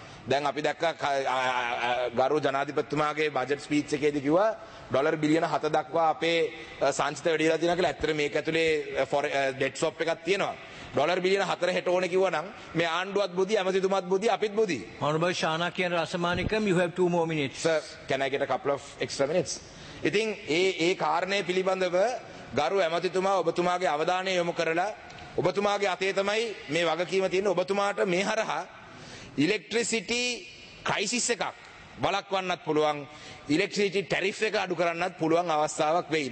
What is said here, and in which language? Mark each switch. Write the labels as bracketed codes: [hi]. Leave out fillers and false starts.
[si] දැන් අපි දැක්කා ගරු ජනාධිපතිතුමාගේ බජට් ස්පීච් එකේදී කිව්වා ඩොලර් බිලියන 7 දක්වා අපේ සංචිත වැඩිලා තියෙනවා කියලා. ඇත්තට මේක ඇතුලේ ඩෙට් ස්වොප් එකක් තියෙනවා. ඩොලර් බිලියන 4 හෙට ඕනේ කිව්වා නම් මේ ආණ්ඩුවත් බුදි, ඇමතිතුමත් බුදි, අපිත් බුදි. [en] Honourable Shana කියන Rasamanickam you have 2 more minutes. Sir, can I get a couple of extra minutes? [si] ඉතින් ඒ කාරණේ පිළිබඳව ගරු ඇමතිතුමා ඔබතුමාගේ අවධානය යොමු කරලා ඔබතුමාගේ අතේ තමයි මේ වගකීම තියෙන්නේ. ඔබතුමාට මේ හරහා ඉලෙක්ට්‍රිසිටි ක්‍රයිසිස් එකක් වළක්වන්නත් පුළුවන්, ඉලෙක්ට්‍රිසිටි ටැරිෆ් එක අඩු කරන්නත් පුළුවන් අවස්ථාවක් වෙයි.